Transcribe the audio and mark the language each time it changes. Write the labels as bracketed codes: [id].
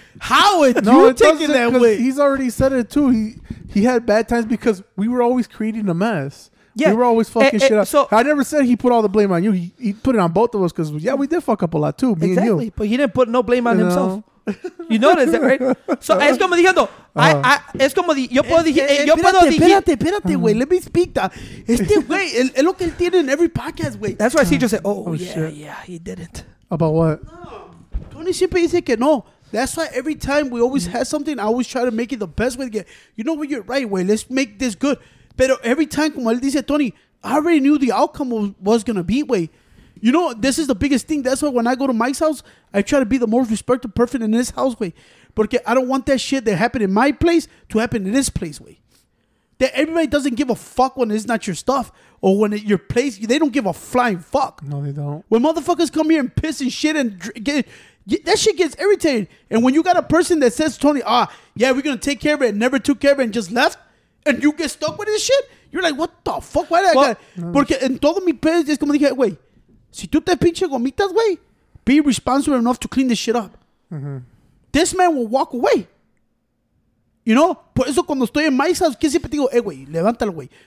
[en] How would no, you take it that way? He's already said it too. He had bad times because we were always creating a mess. Yeah. We were always fucking shit up. So, I never said he put all the blame on you. He put it on both of us because, yeah, we did fuck up a lot too, me and you. Exactly, but he didn't put no blame on himself. You notice that, right? [es] So, es como diciendo, es como, yo puedo decir, yo puedo decir. Espérate, güey, [en] let me speak that. [es] Este güey, es lo que él tiene en [en] every podcast, [es] güey. [en] That's why Cicho said, yeah, he didn't. About what? [es] Tony siempre dice que no. [en] That's why every time we always have something, I always try to make it the best way to get. You know what, you're right, güey, let's make this good. [es] Pero [en] every time, [es] como él dice, [en] Tony, I already knew the outcome was going to be, güey. You know, this is the biggest thing. That's why when I go to Mike's house, I try to be the most respectful person in this house, way. [es] Porque [en] I don't want that shit that happened in my place to happen in this place, way. That everybody doesn't give a fuck when it's not your stuff or when it's your place. They don't give a flying fuck. No, they don't. When motherfuckers come here and piss and shit and get that shit gets irritating. And when you got a person that says, Tony, we're going to take care of it and never took care of it and just left, and you get stuck with this shit, you're like, what the fuck? Why did I got it? [es] Porque en todo mi pedo, es como dije, güey. Si tú te pinche gomitas, güey, [en] be responsible enough to clean this shit up. This man will walk away. You know? [es] Por eso cuando estoy en Mike's house, que siempre digo, güey, levántalo, güey.